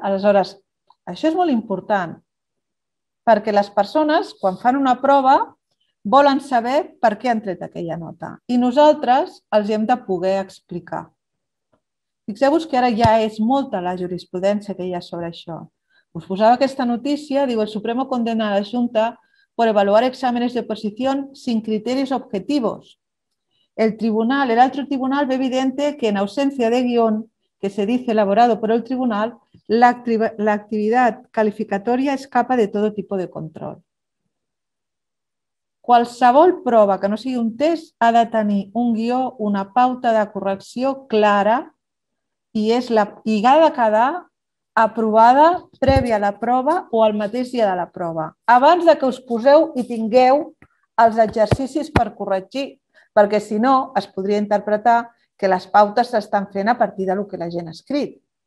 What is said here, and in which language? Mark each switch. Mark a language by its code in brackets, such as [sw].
[ca] Aleshores, això és molt important, perquè les persones, quan fan una prova, volen saber per què han tret aquella nota. I nosaltres els hem de poder explicar. Fixeu-vos que ara ja és molta la jurisprudència que hi ha sobre això. Us posava aquesta notícia, diu, [es] el Supremo condena a la Junta por evaluar exámenes de oposición sin criterios objetivos. El tribunal, el altre tribunal, ve evidente que en ausencia de guión, que se dice elaborado por el tribunal, la actividad calificatoria escapa de todo tipo de control. [ca] Qualsevol prova que no sigui un test ha de tenir un guió, una pauta de correcció clara i ha de quedar aprovada prèvia a la prova o al mateix dia de la prova, abans de que us poseu i tingueu els exercicis per corregir, perquè si no es podria interpretar que les pautes s'estan fent a partir del que la gent ha escrit.